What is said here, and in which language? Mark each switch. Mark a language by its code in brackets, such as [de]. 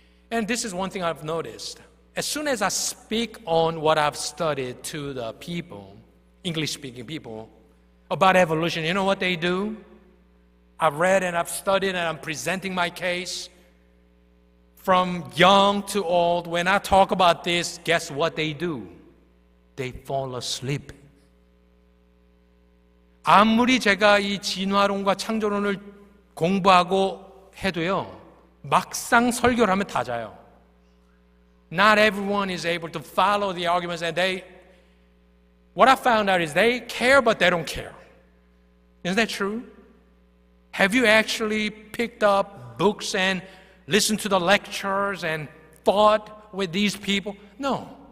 [en] And this is one thing I've noticed. As soon as I speak on what I've studied to the people, English-speaking people, about evolution, you know what they do? I've read and I've studied and I'm presenting my case. From young to old, when I talk about this, guess what they do? They fall asleep. [ko] 아무리 제가 이 진화론과 창조론을 공부하고 해도요, 막상 설교를 하면 다 자요. [en] Not everyone is able to follow the arguments, and they, what I found out is they care, but they don't care. Isn't that true? Have you actually picked up books and listened to the lectures and fought with these people? No.